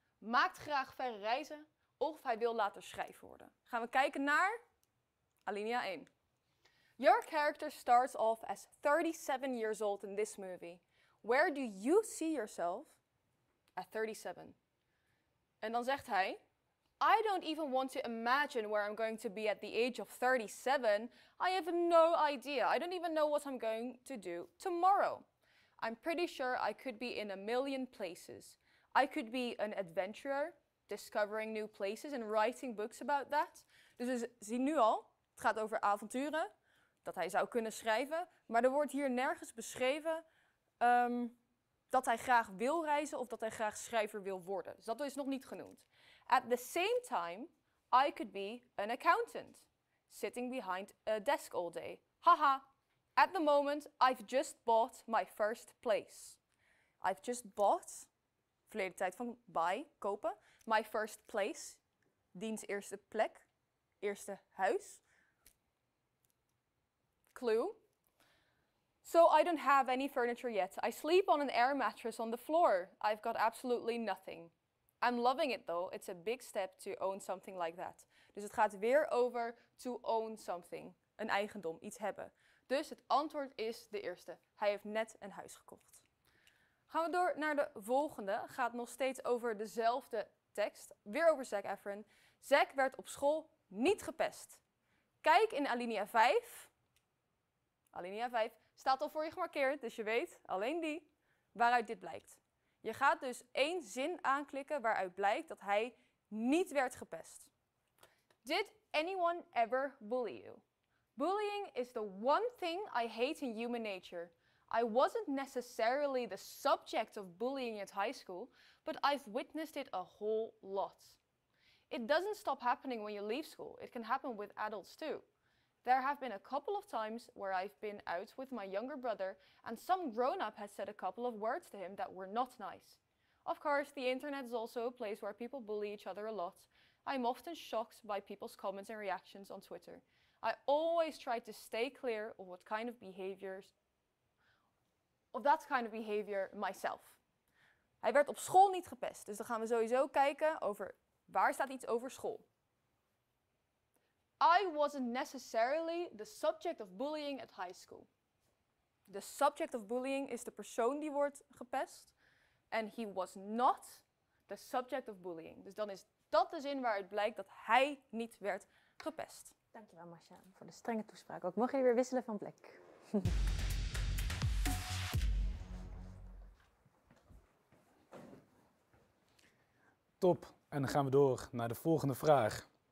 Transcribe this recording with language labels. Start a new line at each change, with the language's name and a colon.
Dutch: Maakt graag verre reizen of hij wil later schrijver worden. Gaan we kijken naar alinea 1.
English: Your character starts off as 37 years old in this movie. Where do you see yourself at 37?
Dutch: En dan zegt hij,
English: I don't even want to imagine where I'm going to be at the age of 37. I have no idea. I don't even know what I'm going to do tomorrow. I'm pretty sure I could be in a million places. I could be an adventurer, discovering new places and writing books about that.
Dutch: Dus we zien nu al, het gaat over avonturen, dat hij zou kunnen schrijven. Maar er wordt hier nergens beschreven dat hij graag wil reizen of dat hij graag schrijver wil worden. Dus dat is nog niet genoemd.
English: At the same time, I could be an accountant, sitting behind a desk all day. Haha, at the moment, I've just bought my first place. I've just bought,
Dutch: verleden tijd van buy, kopen,
English: my first place,
Dutch: diens eerste plek, eerste huis.
English: Clue. So I don't have any furniture yet. I sleep on an air mattress on the floor. I've got absolutely nothing. I'm loving it though. It's a big step to own something like that.
Dutch: Dus het gaat weer over
English: to own something.
Dutch: Een eigendom, iets hebben. Dus het antwoord is de eerste. Hij heeft net een huis gekocht. Gaan we door naar de volgende. Gaat nog steeds over dezelfde tekst. Weer over Zac Efron. Zac werd op school niet gepest. Kijk in alinea 5. Alinea 5 staat al voor je gemarkeerd, dus je weet alleen die waaruit dit blijkt. Je gaat dus één zin aanklikken waaruit blijkt dat hij niet werd gepest.
English: Did anyone ever bully you? Bullying is the one thing I hate in human nature. I wasn't necessarily the subject of bullying at high school, but I've witnessed it a whole lot. It doesn't stop happening when you leave school. It can happen with adults too. There have been a couple of times where I've been out with my younger brother and some grown-up has said a couple of words to him that were not nice. Of course, the internet is also a place where people bully each other a lot. I'm often shocked by people's comments and reactions on Twitter. I always try to stay clear of what kind of behaviors of that kind of behavior myself.
Dutch: Hij werd op school niet gepest, dus dan gaan we sowieso kijken over waar staat iets over school.
English: I wasn't necessarily the subject of bullying at high school. The subject of bullying
Dutch: is de persoon die wordt gepest.
English: And he was not the subject of bullying.
Dutch: Dus dan is dat de zin waaruit blijkt dat hij niet werd gepest. Dankjewel Marcia voor de strenge toespraak. Ook mogen jullie weer wisselen van plek. Top. En dan gaan we door naar de volgende vraag.